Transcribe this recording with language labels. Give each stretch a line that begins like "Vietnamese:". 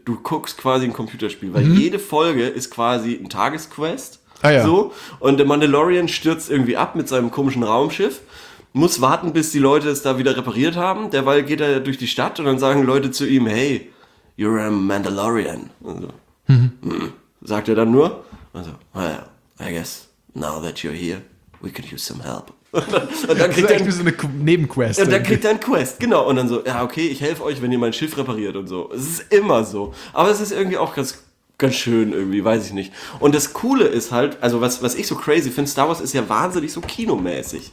German: Du guckst quasi ein Computerspiel, weil jede Folge ist quasi ein Tagesquest. Ah, ja. So. Und der Mandalorian stürzt irgendwie ab mit seinem komischen Raumschiff. Muss warten, bis die Leute es da wieder repariert haben. Derweil geht er durch die Stadt und dann sagen Leute zu ihm,
English: hey, you're a Mandalorian.
German: Also, sagt er dann nur.
English: Also, well, I guess now that you're here, we can use some help.
German: Und dann kriegt er wie so eine Nebenquest. Und dann kriegt er einen Quest, genau. Und dann so, ja, okay, ich helfe euch, wenn ihr mein Schiff repariert und so. Es ist immer so. Aber es ist irgendwie auch ganz, ganz schön irgendwie, weiß ich nicht. Und das Coole ist halt, also was ich so crazy finde, Star Wars ist ja wahnsinnig so kinomäßig.